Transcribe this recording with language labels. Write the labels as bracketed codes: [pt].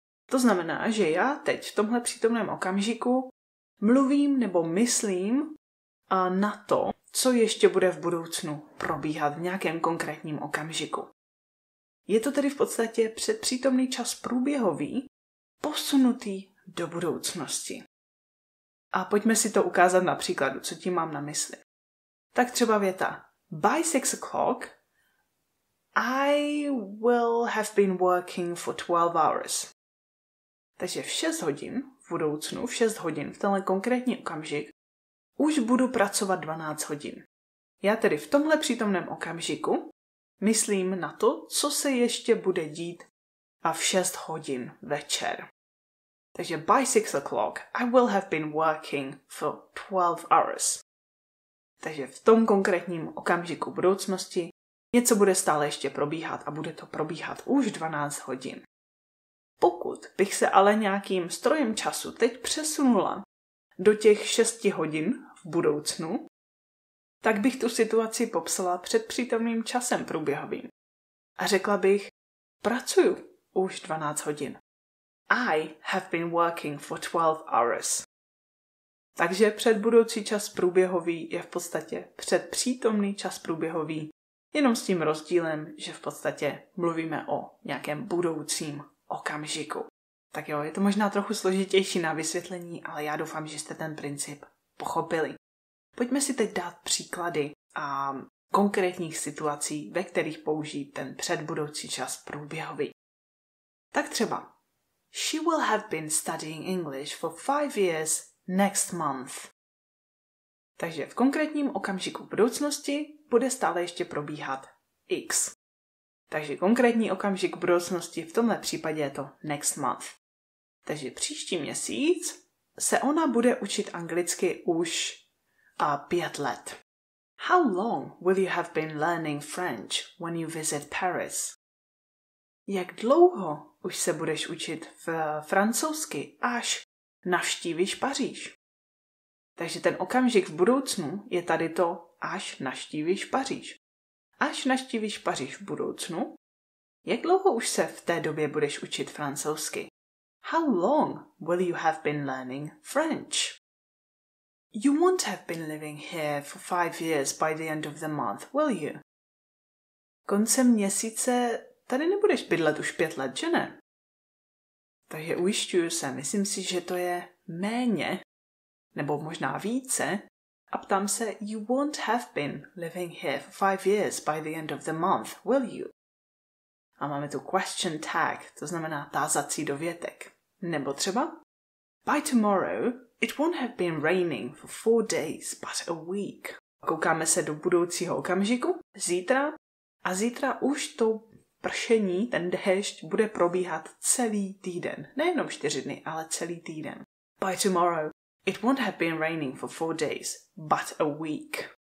[cs] To znamená, že já teď v tomhle přítomném okamžiku mluvím nebo myslím a na to, co ještě bude v budoucnu probíhat v nějakém konkrétním okamžiku. Je to tedy v podstatě předpřítomný čas průběhový, posunutý do budoucnosti. A pojďme si to ukázat na příkladu, co tím mám na mysli. Tak třeba věta. [en] By 6 o'clock, I will have been working for 12 hours. [cs] Takže v 6 hodin v budoucnu, v 6 hodin v tenhle konkrétní okamžik, už budu pracovat 12 hodin. Já tedy v tomhle přítomném okamžiku myslím na to, co se ještě bude dít a v 6 hodin večer. Takže [en] by 6 o'clock I will have been working for 12 hours. [cs] Takže v tom konkrétním okamžiku budoucnosti něco bude stále ještě probíhat a bude to probíhat už 12 hodin. Pokud bych se ale nějakým strojem času teď přesunula do těch 6 hodin v budoucnu, tak bych tu situaci popsala předpřítomným časem průběhovým. A řekla bych, pracuju už 12 hodin. [en] I have been working for 12 hours. [cs] Takže předbudoucí čas průběhový je v podstatě předpřítomný čas průběhový, jenom s tím rozdílem, že v podstatě mluvíme o nějakém budoucím okamžiku. Tak jo, je to možná trochu složitější na vysvětlení, ale já doufám, že jste ten princip pochopili. Pojďme si teď dát příklady a konkrétních situací, ve kterých použít ten předbudoucí čas průběhový. Tak třeba. [en] She will have been studying English for 5 years next month. [cs] Takže v konkrétním okamžiku budoucnosti bude stále ještě probíhat X. Takže konkrétní okamžik budoucnosti v tomhle případě je to [en] next month. [cs] Takže příští měsíc se ona bude učit anglicky už 5 let. [en] How long will you have been learning French when you visit Paris? [cs] Jak dlouho už se budeš učit francouzsky, až navštívíš Paříž? Takže ten okamžik v budoucnu je tady to, až navštívíš Paříž. Až navštívíš Paříž v budoucnu, jak dlouho už se v té době budeš učit francouzsky? [en] How long will you have been learning French? You won't have been living here for 5 years by the end of the month, will you? [cs] koncem měsíce tady nebudeš bydlet už 5 let, že ne? Takže ujišťuju se, myslím si, že to je méně, nebo možná více, a ptám se, [en] you won't have been living here for 5 years by the end of the month, will you? [cs] A máme tu question tag, to znamená tázací dovětek. Nebo třeba, [en] by tomorrow, it won't have been raining for 4 days, but a week. [cs] Koukáme se do budoucího okamžiku, zítra, a zítra už to pršení, ten déšť, bude probíhat celý týden. Nejenom 4 dny, ale celý týden. [en] By tomorrow, it won't have been raining for 4 days, but a week.